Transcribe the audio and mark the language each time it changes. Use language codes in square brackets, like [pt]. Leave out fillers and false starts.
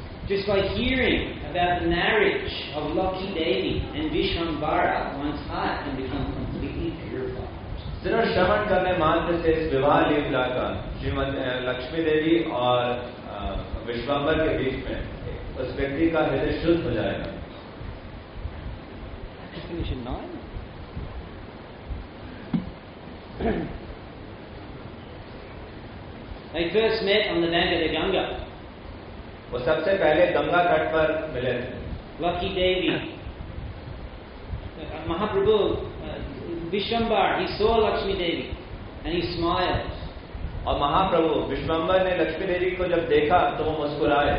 [en] Just by hearing about the marriage of Lucky Devi and Vishwambara, one's heart can become completely purified. [hi] सिर्फ श्रवण करने मात्र से इस विवाह लीला का श्रीमद लक्ष्मी देवी और विश्वंबर के बीच में उस व्यक्ति का हृदय शुद्ध हो जाएगा [en] They first met on the bank of the Ganga. [hi] वो सबसे पहले गंगा तट पर मिले थे [en] लक्की Devi Mahaprabhu Vishwambhar he saw Lakshmi Devi and he smiled [hi] और महाप्रभु विश्वंबर ने लक्ष्मी देवी को जब देखा तो वो मुस्कुराए